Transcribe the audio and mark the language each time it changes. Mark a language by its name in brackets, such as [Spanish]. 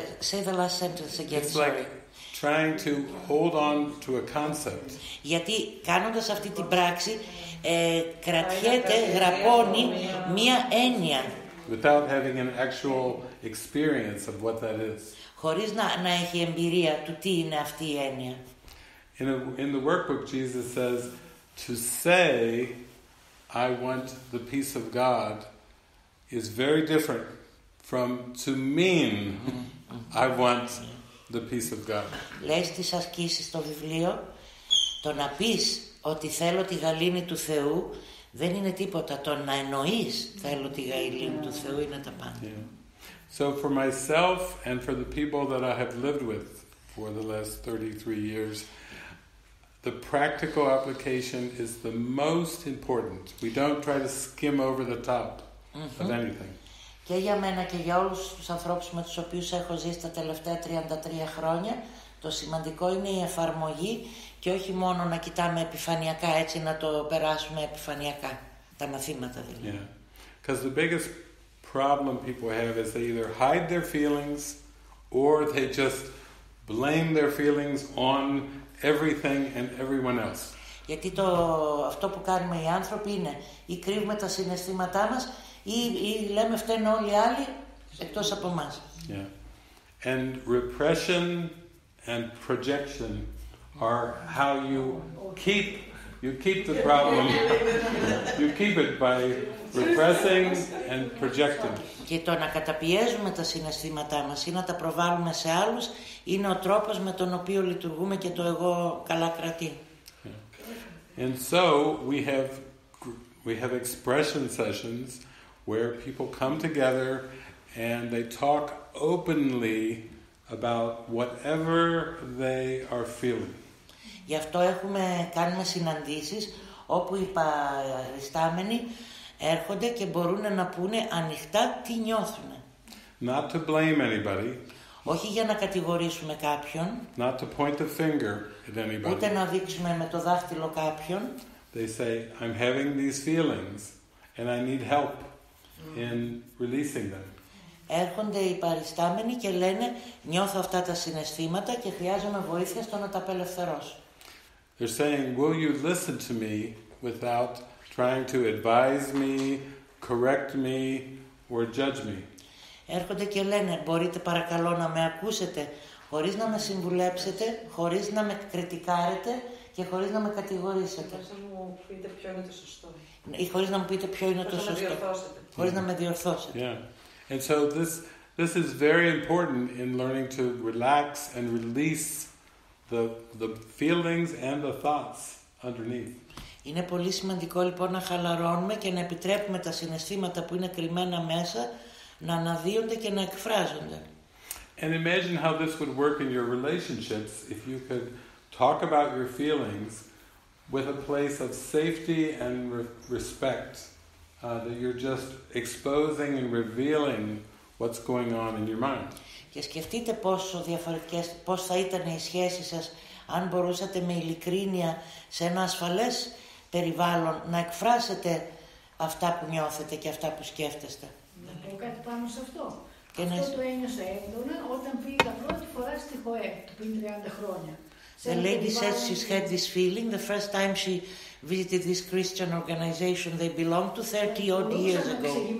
[English] Say the last sentence again. It's like trying to hold on to a concept. [Greek] Γιατί κάνοντας αυτή την πράξη κρατιέται, γραπώνει μία έννοια. [English] Without having an actual experience of what that is. [Greek] Χωρίς να έχει εμπειρία του τι είναι αυτή η έννοια. [English] In the workbook, Jesus says, to say, I want the peace of God, is very different from to mean, I want the peace of God. [Greek] Λες τις ασκήσεις στο βιβλίο, το να πεις ότι θέλω τη γαλήνη του Θεού, δεν είναι τίποτα. Το να εννοείς θέλω τη γαλήνη του Θεού είναι τα πάντα. [English] So for myself and for the people that I have lived with for the last 33 years, the practical application is the most important. We don't try to skim over the top of anything. [Greek] Και για μένα και για όλους τους ανθρώπους με τους οποίους έχω ζήσει τα τελευταία 33 χρόνια, το σημαντικό είναι η εφαρμογή και όχι μόνο να κοιτάμε επιφανειακά, έτσι να το περάσουμε επιφανειακά, τα μαθήματα δηλαδή. [English] Yeah. Because the biggest problem people have is they either hide their feelings or they just blame their feelings on everything and everyone else. [Greek] Γιατί αυτό που κάνουμε οι άνθρωποι είναι ή κρύβουμε τα συναισθήματά μας ή λέμε φταίνε όλοι οι άλλοι εκτός από εμάς. [English] Yeah. And repression and projection are how you keep the problem. You keep it by repressing and projecting. [Greek] Και το να καταπιέζουμε τα συναισθήματά μας ή να τα προβάλλουμε σε άλλους είναι ο τρόπος με τον οποίο λειτουργούμε και το εγώ καλά κρατεί. [English] And so we have expression sessions where people come together and they talk openly about whatever they are feeling. [Greek] Γι' αυτό κάνουμε συναντήσεις όπου οι παριστάμενοι έρχονται και μπορούν να πούνε ανοιχτά τι νιώθουν. [English] Not to blame anybody. [Greek] Όχι για να κατηγορήσουμε κάποιον. [English] Not to point the finger at anybody. [Greek] Ούτε να δείξουμε με το δάχτυλο κάποιον. [English] They say, I'm having these feelings and I need help in releasing them. [Greek] Έρχονται οι παριστάμενοι και λένε, νιώθω αυτά τα συναισθήματα και χρειάζομαι βοήθεια στο να τα απελευθερώσω. [English] They're saying, will you listen to me without trying to advise me, correct me or judge me? [Greek] Έρχονται και λένε, μπορείτε παρακαλώ να με ακούσετε χωρίς να με συμβουλέψετε, χωρίς να με κριτικάρετε και χωρίς να με κατηγορήσετε. Χωρίς να μου πείτε ποιο είναι το σωστό. Ή χωρίς να μου πείτε ποιο είναι το σωστό. Χωρίς να με διορθώσετε. [English] Yeah. And so this is very important in learning to relax and release the feelings and the thoughts underneath. [Greek] Είναι πολύ σημαντικό λοιπόν να χαλαρώνουμε και να επιτρέπουμε τα συναισθήματα που είναι κρυμμένα μέσα να αναδύονται και να εκφράζονται. [English] And imagine how this would work in your relationships if you could talk about your feelings with a place of safety and respect. That you're just exposing and revealing What's going on in your mind? [Greek] Και σκεφτείτε πόσο διαφορετικές, πώς θα ήταν οι σχέσεις σας αν μπορούσατε με ειλικρίνεια σε ένα ασφαλές περιβάλλον να εκφράσετε αυτά που νιώθετε και αυτά που σκέφτεστε. Να πω κάτι πάνω σε αυτό. Και αυτό το ένιωσα έντονα όταν πήγα πρώτη φορά στη ΧΟΕ πριν 30 χρόνια. [English] The lady said she's had this feeling the first time she visited this Christian organization they belong to 30 odd years ago.